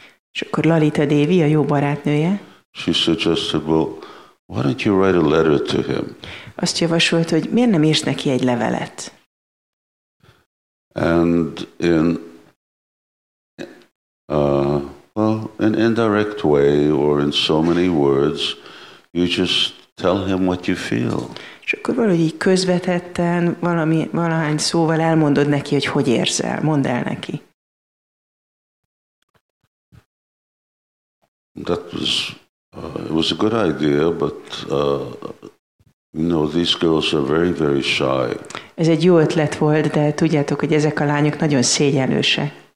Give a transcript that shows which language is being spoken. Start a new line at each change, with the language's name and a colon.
Hungarian: És akkor Lalita Devi, a jó barátnője.
English: She suggested, well, why don't you write a letter to him?
Hungarian: Azt javasolt, hogy miért nem írsz neki egy levelet?
English: And in an indirect way or in so many words, you just tell him what you feel.
Hungarian: És akkor valahogy így közvetetten valahány szóval elmondod neki, hogy hogy érzel. Mondd el neki.
English: That was it was a good idea, but you know, these girls are very, very shy.
Hungarian: Ez egy jó ötlet volt, de tudjátok, hogy ezek a lányok nagyon szégyenlőse.